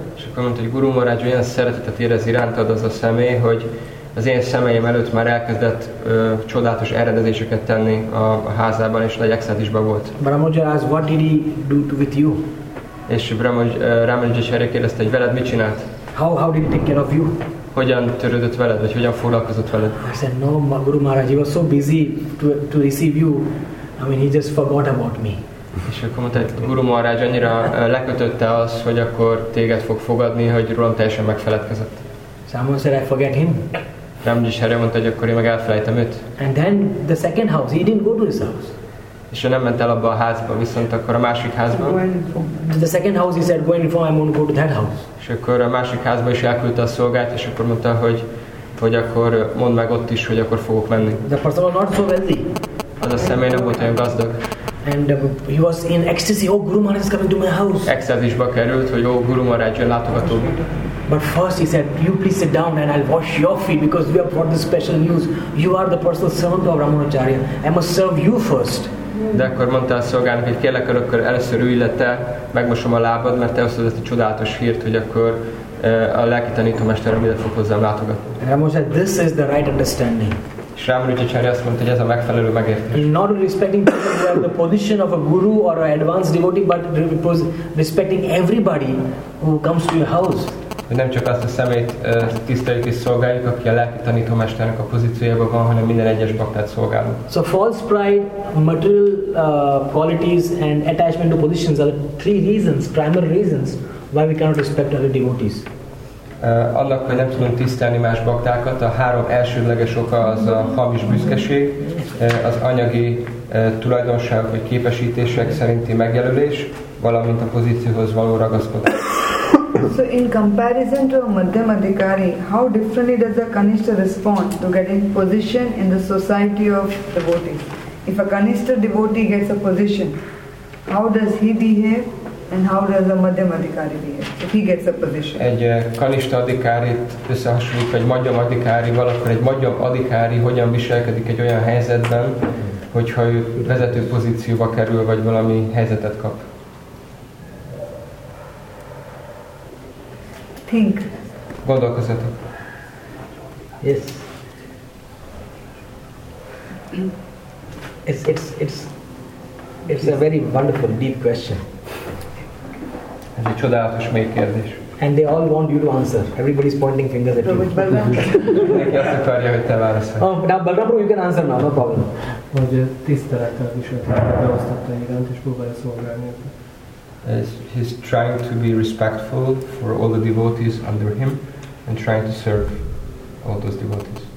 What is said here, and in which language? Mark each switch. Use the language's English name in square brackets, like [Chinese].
[Hungarian] És akkor mondta, hogy Guru Maharaj, olyan szeretetet érez irántad az a személy, hogy az én személyem előtt már elkezdett csodálatos eredezéseket tenni a házában, és nagy extázisban volt. [English] Ramanujacharya asked, what did he do with you? [Hungarian] És Ramanujacharya kérdezte, hogy veled mit csinált? [English] How did he take care of you? [Hungarian] Hogyan törődött veled, vagy hogyan foglalkozott veled? [English] I said, no, Guru Maharaj, he was so busy to receive you. I mean, he just forgot about me. [Hungarian] És akkor mondta, hogy Guru Maharaj annyira lekötötte az, hogy akkor téged fog fogadni, hogy rólam teljesen megfeledkezett. [English] Someone said, I forget him. [Hungarian] Ramanujacharya mondta, hogy akkor én meg elfelejtem őt. [English] And then the second house, he didn't go to his house. [Hungarian] És ő nem ment el abba a házba, viszont akkor a másik házba. [English] The second house, he said, go and inform, I'm going to go to that house. [Hungarian] És akkor a másik házba is elküldte a szolgát, és akkor mondta, hogy akkor mondd meg ott is, hogy akkor fogok menni. [English] The person was not so wealthy. [Hungarian] Az a személy nem volt olyan gazdag. [English] And he was in ecstasy, oh, Guru Maharaj is coming to my house. [Hungarian] Ecstázisba került, hogy oh, Guru Maharaj jön látogatóba. [English] But first he said, you please sit down and I'll wash your feet because we have brought this special news. You are the personal servant of Ramanujacharya. I must serve you first. [Hungarian] De akkor mondta a szolgának, hogy kérlek, akkor először ülj le te, megmosom a lábad, mert te hoztad ezt a csodálatos hírt, hogy akkor a lelki tanítómesterem ide fog hozzám látogatni. [English] Ramanujacharya, this is the right understanding. [Hungarian] És Ramanujacharya azt mondta, hogy ez a megfelelő megértés. [English] Not respecting the position of a guru or an advanced devotee, but respecting everybody who comes to your house. [Hungarian] Nem csak azt a szemét tiszteljük és szolgáljuk, aki a lelki tanítómesternek a pozíciójában van, hanem minden egyes baktát szolgálunk. [English] So false pride, material qualities and attachment to positions are three reasons, primary reasons why we cannot respect other devotees. [Hungarian] Annak, hogy nem tudunk tisztelni más baktákat, a három elsődleges oka az a hamis büszkeség, az anyagi tulajdonság vagy képesítések szerinti megjelölés, valamint a pozícióhoz való ragaszkodás. [English] So in comparison to a Madhyam Adhikari, how differently does a Kanishtha respond to getting position in the society of devotees? If a Kanishtha devotee gets a position, how does he behave and how does a Madhyam Adhikari behave if he gets a position? [Hungarian] Egy Kanishtha Adhikárit összehasonlítva egy Madhyam Adhikári, valakkor egy Madhyam Adhikári hogyan viselkedik egy olyan helyzetben, hogyha ő vezető pozícióba kerül vagy valami helyzetet kap? [English] Think. [Hungarian] Gondolkozzatok. [English] Yes. It's a very wonderful deep question. [Hungarian] Ez egy csodálatos mély kérdés. [English] And they all want you to answer. Everybody's pointing fingers at you. [Hungarian] Mindenki azt akarja, hogy te válaszolj. [English] Now, Balram bro, you can answer now, no problem. [Hungarian] Hogy tisztelettel viselte, beosztotta iránt, és próbálja szolgálni. [English] He's trying to be respectful for all the devotees under him and trying to serve all those devotees.